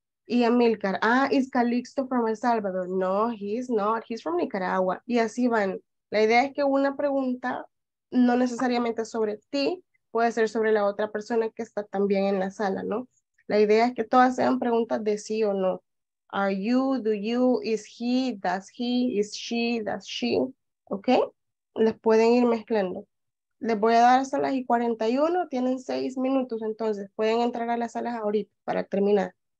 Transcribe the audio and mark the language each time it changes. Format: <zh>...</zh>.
<en>Y Amilcar: Ah, is Calixto from El Salvador? No, he's not, he's from Nicaragua.</en> <es>Y así van. La idea es que una pregunta, no necesariamente sobre ti, puede ser sobre la otra persona que está también en la sala, ¿no? La idea es que todas sean preguntas de sí o no.</es> <en>Are you, do you, is he, is she, does she, ¿ok?</en> <es>Les pueden ir mezclando. Les voy a dar hasta las 9:41, tienen 6 minutos, entonces pueden entrar a las salas ahorita para terminar.</es>